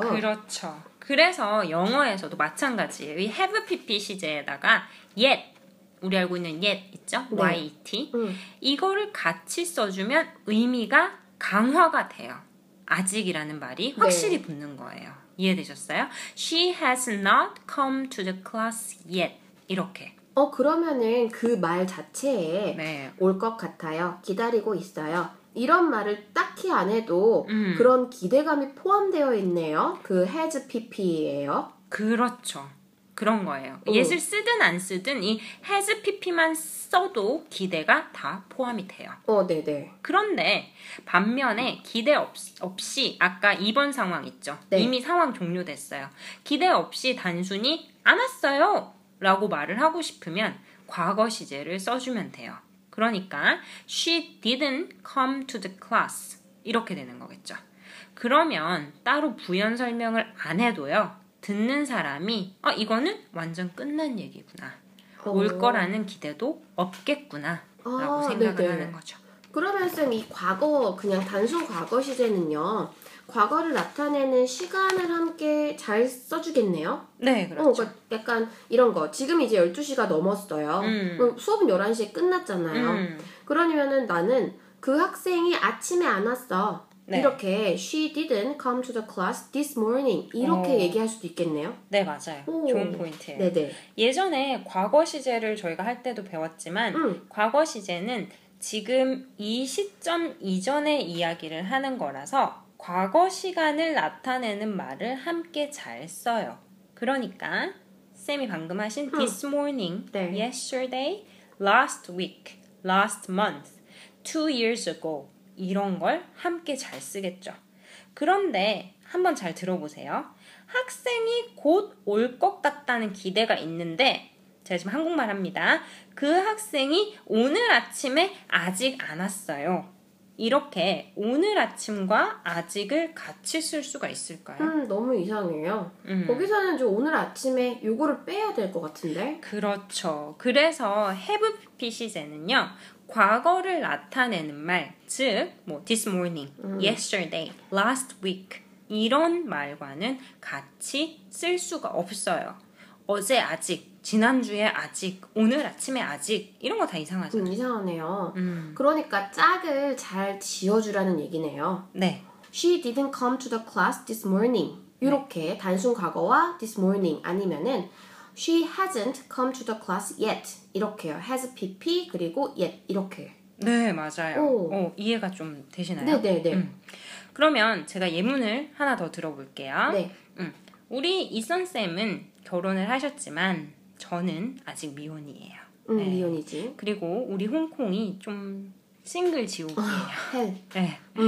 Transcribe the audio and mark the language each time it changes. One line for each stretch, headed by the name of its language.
Korean: 그렇죠. 그래서 영어에서도 마찬가지예요. 이 have pp 시제에다가 yet, 우리 알고 있는 yet 있죠? 네. yet. 이거를 같이 써주면 의미가 강화가 돼요. 아직이라는 말이 확실히 네. 붙는 거예요. 이해되셨어요?
English: She has not come to the class yet.
Korean: 이렇게. 그러면은 그 말 자체에 네. 올 것 같아요. 기다리고 있어요. 이런 말을 딱히 안 해도 그런 기대감이 포함되어 있네요. 그 has pp예요. 그렇죠. 그런 거예요. yet을 쓰든 안 쓰든 이 has pp만 써도 기대가 다 포함이 돼요. 네네. 그런데 반면에 기대 없이 아까 2번 상황 있죠. 네. 이미 상황 종료됐어요. 기대 없이 단순히 안 왔어요 라고 말을 하고 싶으면 과거 시제를 써주면 돼요. 그러니까
English: she didn't come to the class
Korean: 이렇게 되는 거겠죠. 그러면 따로 부연 설명을 안 해도요. 듣는 사람이 이거는 완전 끝난 얘기구나. 올 거라는 기대도 없겠구나 라고 생각을 네네. 하는 거죠. 그러면 쌤, 이 과거 그냥 단순 과거 시제는요. 과거를 나타내는 시간을 함께 잘 써주겠네요. 네, 그렇죠. 그러니까 약간 이런 거. 지금 이제 12시가 넘었어요. 수업은 11시에 끝났잖아요. 그러니면은 나는 그 학생이 아침에 안 왔어. 네. 이렇게
English: she didn't come to the class this morning.
Korean: 이렇게 얘기할 수도 있겠네요. 네, 맞아요. 좋은 포인트예요. 네네. 예전에 과거 시제를 저희가 할 때도 배웠지만 과거 시제는 지금 이 시점 이전의 이야기를 하는 거라서 과거 시간을 나타내는 말을 함께 잘 써요. 그러니까 쌤이 방금 하신 this morning, 네. yesterday, last week, last month, 2 years ago 이런 걸 함께 잘 쓰겠죠. 그런데 한번 잘 들어보세요. 학생이 곧 올 것 같다는 기대가 있는데 제가 지금 한국말 합니다. 그 학생이 오늘 아침에 아직 안 왔어요. 이렇게 오늘 아침과 아직을 같이 쓸 수가 있을까요? 너무 이상해요. 거기서는 좀 오늘 아침에 요거를 빼야 될 것 같은데? 그렇죠. 그래서 have pp 시제는요. 과거를 나타내는 말, 즉 뭐 this morning, yesterday, last week 이런 말과는 같이 쓸 수가 없어요. 어제 아직, 지난주에 아직, 오늘 아침에 아직 이런 거 다 이상하죠? 이상하네요. 그러니까 짝을 잘 지어주라는 얘기네요. 네.
English: She didn't come to the class this morning.
Korean: 이렇게 네. 단순 과거와
English: this morning
Korean: 아니면은
English: She hasn't come to the class yet.
Korean: 이렇게요. Has pp 그리고 yet 이렇게. 네, 맞아요. 이해가 좀 되시나요? 네, 네, 네. 그러면 제가 예문을 하나 더 들어볼게요. 네. 우리 이선 쌤은 결혼을 하셨지만 저는 아직 미혼이에요. 네. 미혼이지. 그리고 우리 홍콩이 좀 싱글 지옥이에요. 네.